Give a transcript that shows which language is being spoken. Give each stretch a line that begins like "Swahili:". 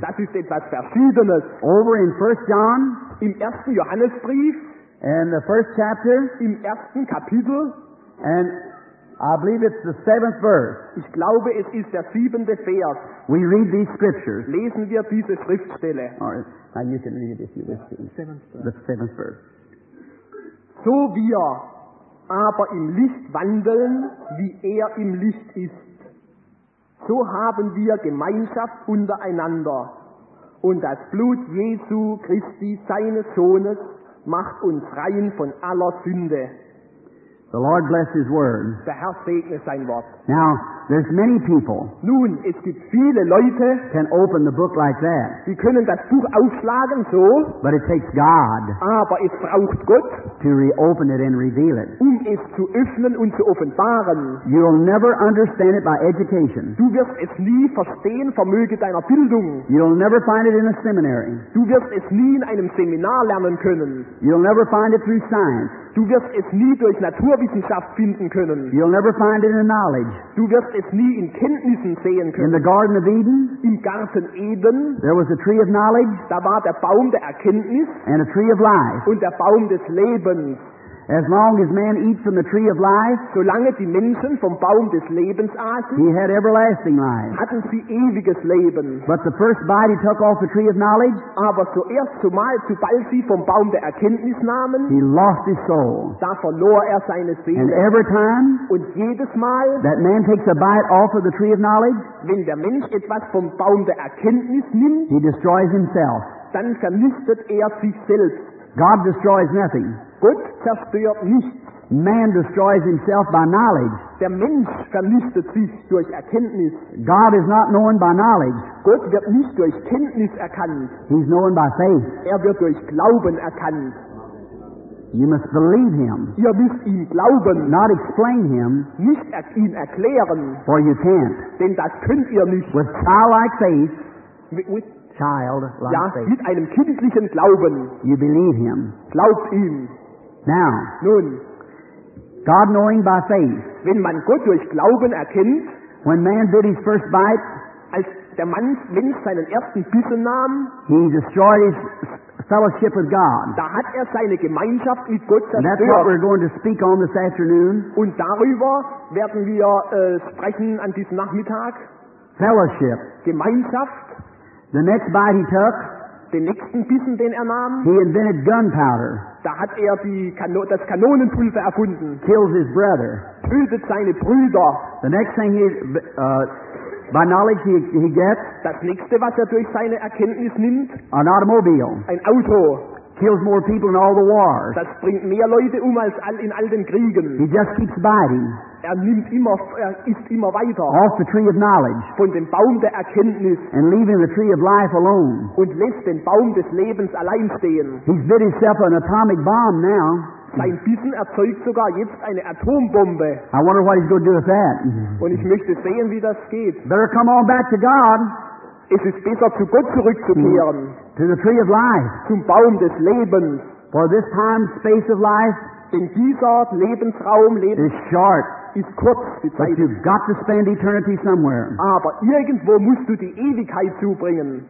German: Das ist etwas Verschiedenes.
English: Over in 1 John,
German: im ersten Johannesbrief,
English: and the first chapter,
German: im ersten Kapitel,
English: and I believe it's the seventh verse.
German: Ich glaube, es ist der siebente Vers.
English: We read these scriptures.
German: Lesen wir diese Schriftstelle.
English: All right. Now you can read it if you wish to. Seventh verse. The seventh verse.
German: So wir aber im Licht wandeln, wie er im Licht ist, so haben wir Gemeinschaft untereinander. Und das Blut Jesu Christi, seines Sohnes, macht uns rein von aller Sünde.
English: The Lord bless His word.
German: Der Herr segne sein Wort.
English: Now, there's many people.
German: Nun, es gibt viele Leute.
English: Can open the book like that.
German: Sie können das Buch aufschlagen so.
English: But it takes God.
German: Aber es braucht Gott.
English: To reopen it and reveal it.
German: Um es zu öffnen und zu offenbaren.
English: You'll never understand it by education.
German: Du wirst es nie verstehen vermöge deiner Bildung.
English: You'll never find it in a seminary.
German: Du wirst es nie in einem Seminar lernen können.
English: You'll never find it through science.
German: Du wirst es nie durch Naturwissenschaft finden können.
English: You'll never find it in knowledge.
German: Du wirst es nie in Kenntnissen sehen können.
English: In the Garden of Eden,
German: im Garten Eden,
English: there was a tree of knowledge,
German: da war der Baum der Erkenntnis,
English: and a tree of life,
German: und der Baum des Lebens.
English: As long as man eats from the tree of life,
German: solange die Menschen vom Baum des Lebens aßen,
English: he had everlasting life.
German: Hatten sie ewiges Leben.
English: But the first bite he took off the tree of knowledge,
German: aber zuerst zumal sobald sie vom Baum der Erkenntnis nahmen,
English: he lost his soul.
German: Da verlor er seine Seele.
English: And every time,
German: und jedes Mal,
English: that man takes a bite off of the tree of knowledge,
German: wenn der Mensch etwas vom Baum der Erkenntnis nimmt,
English: he destroys himself.
German: Dann vernichtet er sich selbst.
English: God destroys nothing.
German: Gott zerstört nichts.
English: Man destroys himself by knowledge.
German: Der Mensch vernichtet sich durch Erkenntnis.
English: God is not known by knowledge.
German: Gott wird nicht durch Kenntnis erkannt.
English: He's known by faith.
German: Er wird durch Glauben erkannt.
English: You must believe him.
German: Ihr müsst ihm glauben.
English: Not explain him.
German: Nicht ihn erklären.
English: For you can't.
German: Denn das könnt ihr nicht.
English: With childlike faith. With childlike
German: ja,
English: faith.
German: Mit einem kindlichen Glauben.
English: You believe him.
German: Glaubt ihm.
English: Now,
German: nun,
English: God knowing by faith,
German: wenn man Gott durch Glauben erkennt,
English: when man did his first bite,
German: als der Mann, Mensch seinen ersten Bissen nahm,
English: he destroyed his fellowship with God.
German: Da hat er seine Gemeinschaft mit Gott zerstört.
English: And that's what we're going to speak on this afternoon.
German: Und darüber werden wir sprechen an diesem Nachmittag.
English: Fellowship.
German: Gemeinschaft.
English: The next bite he took,
German: den nächsten Bissen, den er nahm,
English: he invented gunpowder.
German: Da hat er das Kanonenpulver erfunden.
English: Kills his brother.
German: Tötet seine Brüder.
English: The next thing he, by knowledge he gets.
German: Das nächste, was er durch seine Erkenntnis nimmt.
English: An automobile.
German: Ein Auto.
English: Kills more people in all the wars.
German: Das bringt mehr Leute als in all den Kriegen.
English: He just keeps biting.
German: Er nimmt immer, er isst immer weiter.
English: Off the tree of knowledge.
German: Von dem Baum der Erkenntnis.
English: And leaving the tree of life alone.
German: Und lässt den Baum des Lebens allein stehen.
English: He's bit himself an atomic bomb now.
German: Sein Bissen erzeugt sogar jetzt eine Atombombe.
English: I wonder what he's going to do with that.
German: Und ich möchte sehen, wie das geht.
English: Better come on back to God.
German: Es ist besser, zu Gott zurückzukehren.
English: To the tree of life.
German: Zum Baum des Lebens.
English: For this time, space of life.
German: Denn dieser Lebensraum,
English: is short.
German: Ist kurz,
English: but you've got to spend eternity somewhere.
German: Aber irgendwo musst du die Ewigkeit zubringen.